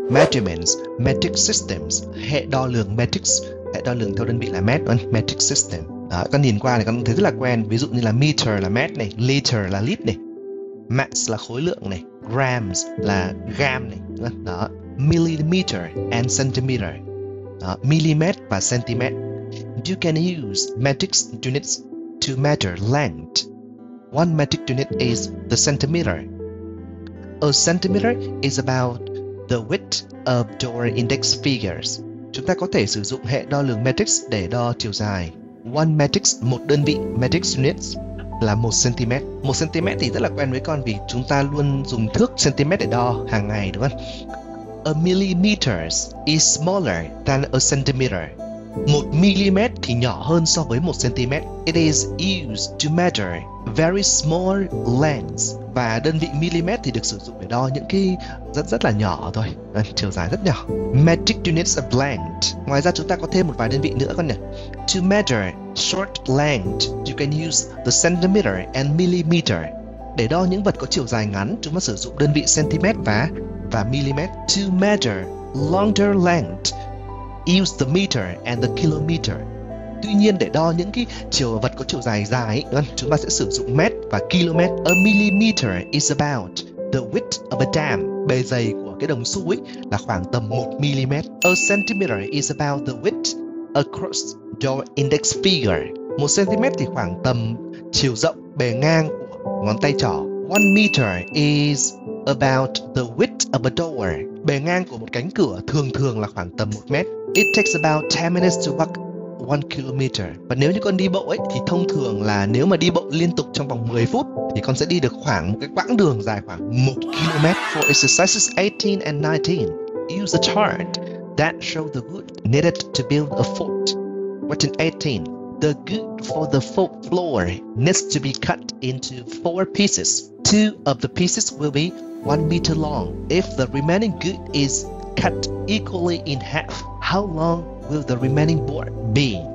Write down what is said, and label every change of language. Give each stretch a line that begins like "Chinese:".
English: Measurements, metric systems,
Vietnamese: hệ đo lường metrics, hệ đo lường theo đơn vị là mét,
English: metric system.
Vietnamese: Đó, con nhìn qua thì con thấy rất là quen, ví dụ như là meter là mét này, liter là lít này, mass là khối lượng này, grams là gram này, đó,
English: millimeter and centimeter.
Vietnamese: Đó, mm và cm.
English: You can use metric units to measure length. One metric unit is the centimeter. A centimeter is about the width of your index fingers.
Vietnamese: Chúng ta có thể sử dụng hệ đo lường metric để đo chiều dài.
English: One metric,
Vietnamese: một đơn vị metric units là 1 cm. 1 cm thì rất là quen với con vì chúng ta luôn dùng thước cm để đo hàng ngày, đúng không?
English: A millimeter is smaller than a centimeter.
Vietnamese: 1 mm thì nhỏ hơn so với 1 cm.
English: It is used to measure very small lengths.
Vietnamese: Và đơn vị millimeter thì được sử dụng để đo những cái rất rất là nhỏ thôi, chiều dài rất nhỏ.
English: Metric units of length.
Vietnamese: Ngoài ra chúng ta có thêm một vài đơn vị nữa con nhỉ.
English: To measure short length, you can use the centimeter and millimeter.
Vietnamese: Để đo những vật có chiều dài ngắn, chúng ta sử dụng đơn vị cm và millimeter.
English: To measure longer length, use the meter and the kilometer.
Vietnamese: Tuy nhiên để đo những cái chiều vật có chiều dài dài ấy, chúng ta sẽ sử dụng mét và km.
English: A millimeter is about the width of a dam.
Vietnamese: Bề dày của cái đồng xu ấy là khoảng tầm 1 mm.
English: A centimeter is about the width across your index finger.
Vietnamese: 1 cm thì khoảng tầm chiều rộng bề ngang của ngón tay trỏ.
English: 1 meter is about the width of a door.
Vietnamese: Bề ngang của một cánh cửa thường thường là khoảng tầm 1 mét.
English: It takes about 10 minutes to walk 1 kilometer.
Vietnamese: Và nếu như con đi bộ ấy thì thông thường là nếu mà đi bộ liên tục trong vòng 10 phút thì con sẽ đi được khoảng một cái quãng đường dài khoảng 1 km.
English: For exercises 18 and 19, use a chart that shows the wood needed to build a fort. Question 18. The wood for the fort floor needs to be cut into 4 pieces. 2 of the pieces will be 1 meter long. If the remaining wood is cut equally in half, how long will the remaining board be?